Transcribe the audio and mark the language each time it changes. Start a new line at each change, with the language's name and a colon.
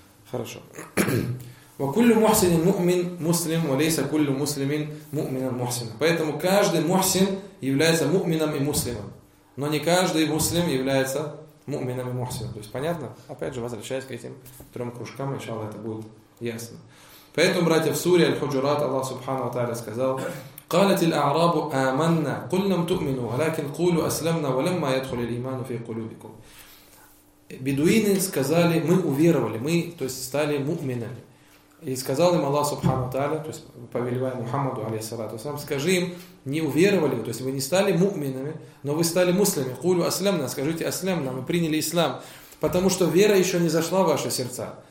Russian: Хорошо.
Arabic: وَكُلُّ مُحْسِنٍ مُؤْمِنٍ مُسْلِمٍ وَلَيْسَ كُلُّ مُسْلِمٍ مُؤْمِنًا مُحْسِنًا.
Russian: Поэтому каждый мухсин является мумином и муслимом. Но не каждый муслим является мумином и мухсином. То есть понятно? Опять же, возвращаясь к этим трем кружкам, иншаллах, это будет ясно. Поэтому, братья, в суре Аль-Худжурат Аллах Субхану Тааля сказал:
Arabic: قالت الأعراب آمنا قل لم تؤمنوا ولكن قولوا أسلمنا ولما يدخل الإيمان في قلوبكم.
Russian: Бедуины сказали: мы уверовали, мы, то есть, стали мукминами. И сказал им Аллах Субхану Тааля, то есть повелевая Мухаммаду алейхиссалату вассалям, скажи им: не уверовали, то есть вы не стали мукминами, но вы стали муслимами.
Arabic: Кулю аслямна,
Russian: скажите аслямна, мы приняли ислам, потому что вера еще не зашла в ваши сердца.